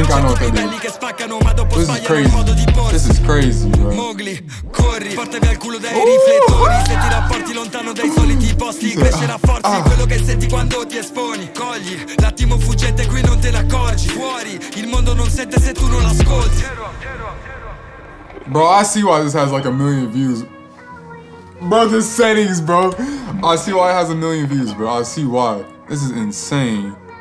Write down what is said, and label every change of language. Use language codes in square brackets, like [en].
[en] I think I know what they did. This is crazy, bro. [it] Mowgli, corri, portami al culo dai riflettori. Se ti rapporti lontano dai soliti posti, crescerà forza quello che senti quando ti esponi. Cogli l'attimo fuggente, qui non te ne accorgi. Fuori, il mondo non sente se tu non l'ascolti. [en] Bro, I see why this has like a million views. Bro, the settings, bro. I see why it has a million views, bro. I see why. This is insane.